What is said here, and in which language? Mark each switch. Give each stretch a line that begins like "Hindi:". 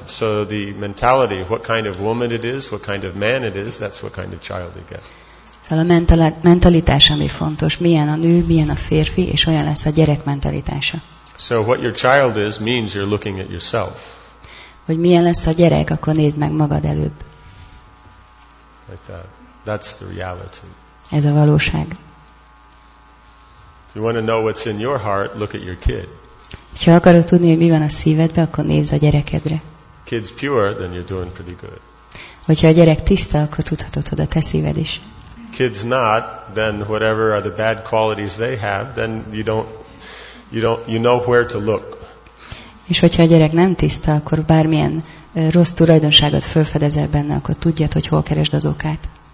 English: So the mentality, what kind of woman it is, what kind of man it is, that's what kind of child you get.
Hungarian: Szóval a mentalitás, ami fontos, milyen a nő, milyen a férfi, és olyan lesz a gyerek mentalitása.
English: So what your child is means you're looking at yourself.
Hungarian: Hogy milyen lesz a gyerek, akkor nézd meg magad előbb.
English: Like that. That's the reality.
Hungarian: Ez a valóság.
English: If you want to know what's in your heart, look at your kid.
Hungarian: Ha akarod tudni, hogy mi van a szívedben, akkor nézd a gyerekedre.
English: Kid's pure, then you're doing pretty good.
Hungarian: Hogyha a gyerek tiszta, akkor tudhatod, hogy a te szíved is.
English: Kids not, then whatever are the bad qualities they have, then you know where to look.
Hungarian: És hogyha a gyerek nem tiszta, akkor bármilyen rossz tulajdonságot felfedezel benne, akkor tudjad, hogy hol keresd az okát.